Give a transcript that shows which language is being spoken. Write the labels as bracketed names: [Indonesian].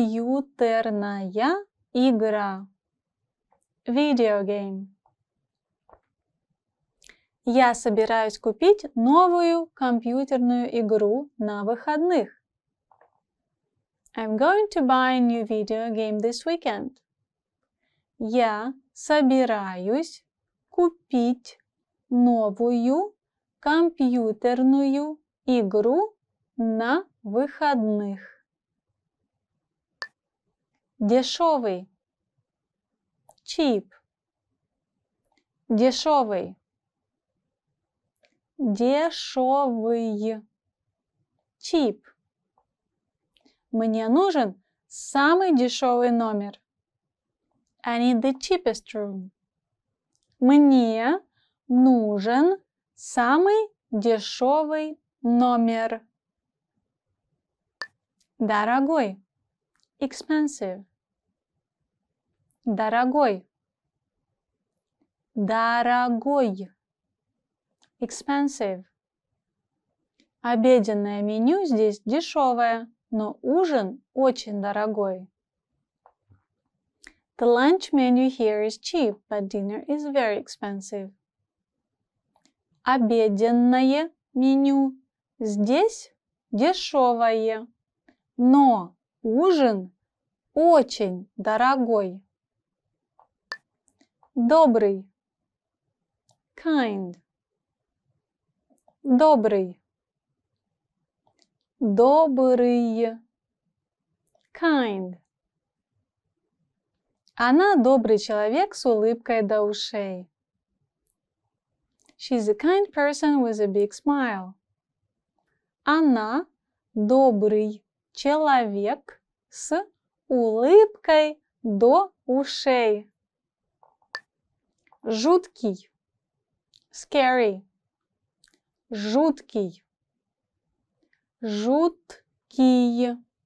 [Russian] Компьютерная игра. [English] Video game. [Russian] Я собираюсь купить новую компьютерную игру на выходных. [English] I'm going to buy a new video game this weekend. [Russian] Я собираюсь купить новую компьютерную игру на выходных. Дешевый. [English] Cheap. [Russian] Дешевый. Дешевый. [English] Cheap. [Russian] Мне нужен самый дешевый номер. [English] I need the cheapest room. [Russian] Мне нужен самый дешевый номер. Дорогой. [English] Expensive. [Russian] Дорогой. Дорогой. [English] Expensive. [Russian] Обеденное меню здесь дешевое, но ужин очень дорогой. [English] The lunch menu here is cheap, but dinner is very expensive. [Russian] Обеденное меню здесь дешевое, но ужин очень дорогой. Добрый. [English] Kind. [Russian] Добрый. Добрый. [English] Kind. [Russian] Она добрый человек с улыбкой до ушей. [English] She's a kind person with a big smile. [Russian] Она добрый человек с улыбкой до ушей. Жуткий. [English] Scary. [Russian] Жуткий. Жуткий.